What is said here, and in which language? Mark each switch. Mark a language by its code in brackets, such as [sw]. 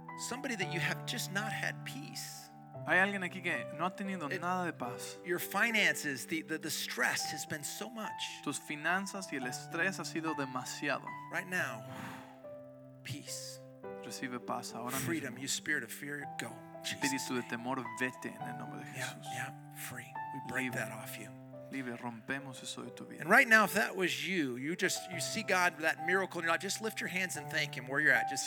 [en] Somebody that you have just not had peace. [es] Hay alguien aquí que no ha tenido nada de paz. [en] Your finances, the stress has been so much. [es] Tus finanzas y el estrés ha sido demasiado. [en] Right now, peace. [es] Recibe paz ahora. [en] Freedom, [es] mismo. [en] You spirit of fear, go. [es] Espíritu de temor, vete en el nombre de Jesús. [en] Yeah, free. We break [es] libre. [en] That off you. [es] Libre, rompemos eso de tu vida. [en] And right now, if that was you, you see God that miracle, and you're like, just lift your hands and thank Him where you're at. Just